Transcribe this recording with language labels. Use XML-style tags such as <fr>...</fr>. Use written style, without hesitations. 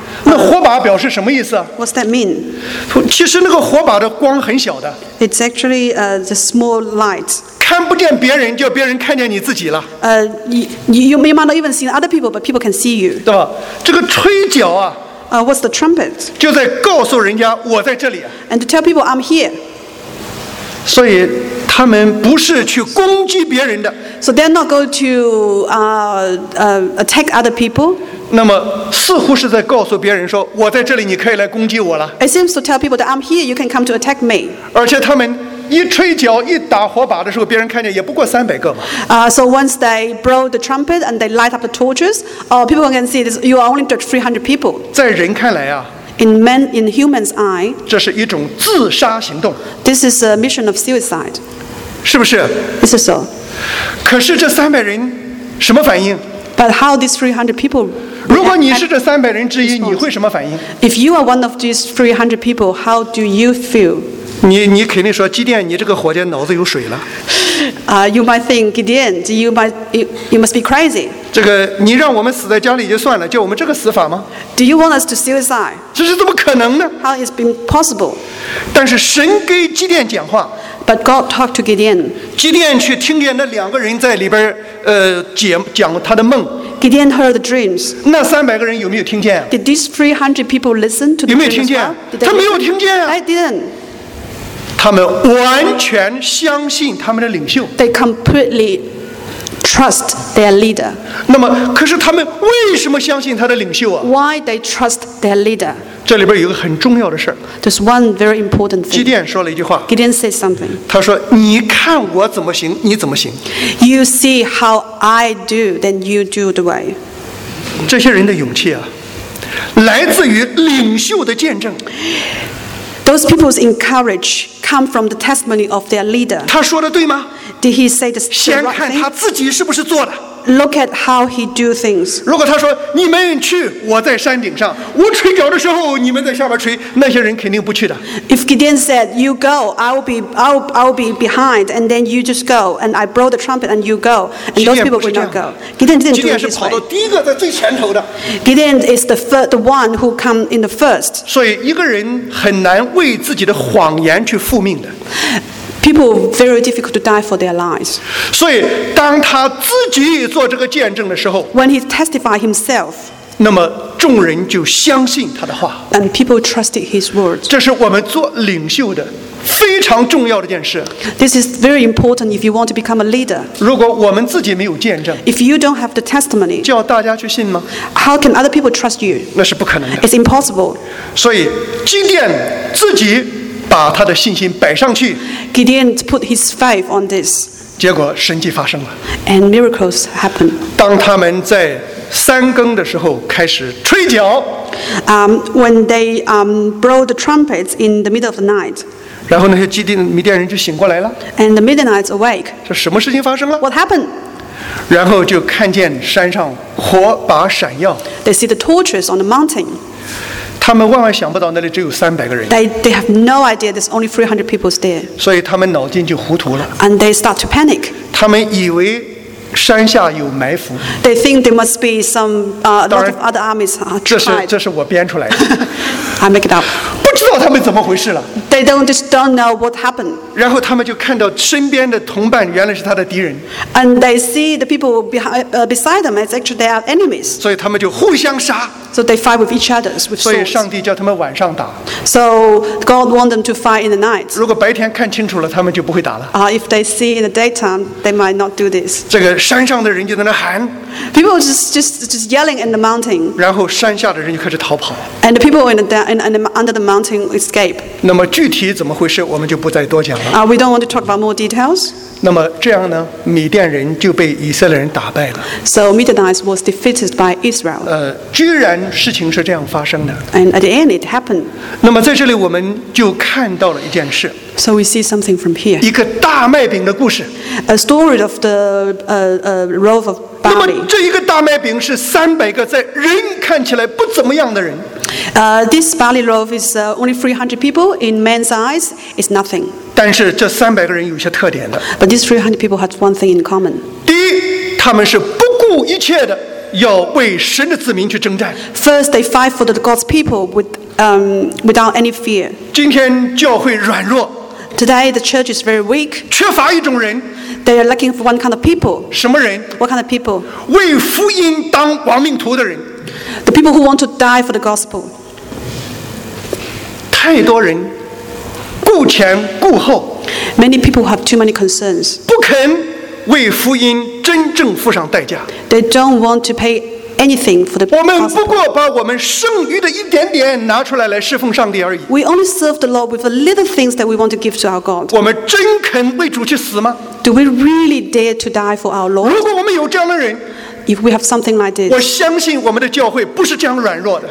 <zh>那火把表示什么意思啊</zh> <en>what's that mean</en> <zh>其实那个火把的光很小的</zh> <en>it's actually the small light</en> <zh>看不见别人，叫别人看见你自己了</zh> <en>you might not even see other people but people can see you</en> <zh>对吧这个吹角啊</zh> <en>What's the trumpet?</en> <zh>就在告诉人家我在这里。</zh> <en>And to tell people I'm here.</en> <zh>所以他们不是去攻击别人的。</zh> <en>So they're not going to attack other people.</en> <zh>那么似乎是在告诉别人说我在这里，你可以来攻击我了。</zh> <en>It seems to tell people that I'm here, you can come to attack me.</en> <zh>而且他们一吹角一打火把的时候，别人看见也不过三百个嘛。</zh> <en>So once they blow the trumpet and they light up the torches, people can see this. You are only just 300 people.</en> <zh>在人看来啊</zh> <en>，in humans' eye，</en> <zh>这是一种自杀行动。</zh> <en>This is a mission of suicide.</en> <zh>是不是</zh> <en>？This is so.</en> <zh>可是这三百人什么反应</zh> <en>？But how these 300 people?</en> <zh>如果你是这三百人之一，你会什么反应</zh> <en>？If you are one of these 300 people, how do you feel?</en> <zh>你肯定说基甸，你这个伙计脑子有水了。</zh> <en>You might think, Gideon, you must be crazy.</en> <zh>这个你让我们死在家里就算了，叫我们这个死法吗</zh> <en>？Do you want us to suicide?</en> <zh>这是怎么可能呢</zh> <en>？How it's been possible?</en> <zh>但是神给基甸讲话。</zh> <en>But God talked to Gideon.</en> <zh>基甸却听见那两个人在里边讲他的梦。</zh> <en>Gideon heard the dreams.</en> <zh>那三百个人有没有听见</zh> <en>？Did these 300 people listen to the dreams?</en> <zh>有没有听见？他没有听见啊。</zh> <en>I didn't.</en> <zh>他们完全相信他们的领袖。</zh> <en>They completely trust their leader.</en> <zh>那么，可是他们为什么相信他的领袖啊</zh> <en>？Why they trust their leader？</en> <zh>这里边有个很重要的事儿。</zh> <en>There's one very important thing.</en> <zh>基甸说了一句话。</zh> <en>Gideon said something.</en> <zh>他说：“你看我怎么行，你怎么行</zh> <en>？”You see how I do, then you do the way.</en> <zh>这些人的勇气啊，来自于领袖的见证。</zh> <en>Those people's encourage come from the testimony of their leader.</en> <zh>他说的对吗</zh> <en>？Did he say the right thing?</en> <zh>先看他自己是不是做的。</zh> <en>Look at how he do things.</en> <zh>如果他说你们去，我在山顶上，我吹角的时候你们在下边吹，那些人肯定不去的。</zh> <en>If Gideon said you go, I'll be behind, and then you just go, and I blow the trumpet, and you go, and those people will not go. Gideon didn't do this.</en> <zh>Gideon 是跑到第一个在最前头的。</zh> <en>Gideon is the one who come in the first.</en> <zh>所以一个人很难为自己的谎言去负命的。</zh> <en>People very difficult to die for their lies.</en> <zh>所以当他自己做这个见证的时候</zh> <en>，When he testified himself,</en> <zh>那么众人就相信他的话</zh> <en>，And people trusted his words.</en> <zh>这是我们做领袖的非常重要的一件事。</zh> <en>This is very important if you want to become a leader.</en> <zh>如果我们自己没有见证</zh> <en>，If you don't have the testimony,</en> <zh>叫大家去信吗</zh> <en>？How can other people trust you?</en> <zh>那是不可能的。</zh> <en>It's impossible.</en> <zh>所以基甸自己。把他的信心摆上去</zh> <en>Gideon put his faith on this</en> <zh>结果神迹发生了</zh> <en>and miracles happened</en> <zh>当他们在三更的时候开始吹角</zh> <en>when they blow the trumpets in the middle of the night</en> <zh>然后那些基甸米甸人就醒过来了</zh> <en>and the Midianites awake</en> <zh>这什么事情发生了</zh> <en>what happened</en> <zh>然后就看见山上火把闪耀。</zh> <en>They see the torches on the mountain.</en> <zh>他们万万想不到那里只有三百个人。</zh> <en>They have no idea there's only 300 people there.</en> <zh>所以他们脑筋就糊涂了。</zh> <en>And they start to panic.</en> <zh>他们以为山下有埋伏。</zh> <en>They think there must be some lot of other armies hiding.</en> <zh>这是我编出来的。</zh> <en>I make it up.</en> <zh>不知道他们怎么回事了。</zh> <en>They just don't know what happened.</en> <zh>然后他们就看到身边的同伴原来是他的敌人。</zh> <en>And they see the people beside them as actually their enemies.</en> <zh>所以他们就互相杀。</zh> <en>So they fight with each other with swords.</en> <zh>所以上帝叫他们晚上打。</zh> <en>So God warned them to fight in the night.</en> <zh>如果白天看清楚了，他们就不会打了。</zh> <en>If they see in the daytime, they might not do this.</en> <zh>这个山上的人就在那喊。</zh> <en>People just yelling in the mountain.</en> <zh>然后山下的人就开始逃跑。</zh> <en>And the people under the mountain escape.</en> <zh>那么具体怎么回事，我们就不再多讲了。</zh> <en>We don't want to talk about more details.</en> <zh>那么这样呢，米甸人就被以色列人打败了。</zh> <en>So Midianites was defeated by Israel.</en> <zh>居然事情是这样发生的。</zh> <en>And at the end, it happened.</en> <zh>那么在这里我们就看到了一件事。</zh> <en>So we see something from here.</en> <zh>一个大麦饼的故事。</zh> <en>A story of the loaf of</en> <zh>那么这一个大麦饼是三百个在人看起来不怎么样的人。</zh> <en>This barley loaf is only 300 people in men's eyes. It's nothing.</en> <zh>但是这三百个人有些特点的。</zh> <en>But these 300 people have one thing in common.</en> <zh>第一，他们是不顾一切的要为神的子民去征战。</zh> <en>First, they fight for the God's people without any fear.</en> <zh>今天教会软弱。</zh> <en>Today the church is very weak.</en> <zh>缺乏一种人。</zh> <en>They are looking for one kind of people.</en> <zh>什么人？</zh> <en>What kind of people?</en> <zh>为福音当亡命徒的人。</zh> <en>The people who want to die for the gospel.</en> <zh>太多人顾前顾后。</zh> <en>Many people have too many concerns.</en> <zh>不肯为福音真正付上代价。</zh> <en>They don't want to pay anything for the gospel.</en> <zh>我们不过把我们剩余的一点点拿出来来侍奉上帝而已。</zh> <en>We only serve the Lord with the little things that we want to give to our God.</en> <zh>我们真肯为主去死吗？</zh> <en>Do we really dare to die for our Lord?</en> <zh>如果我们有这样的人，</zh> <en>If we have something like this,</en> <zh>我相信我们的教会不是这样软弱的。</zh>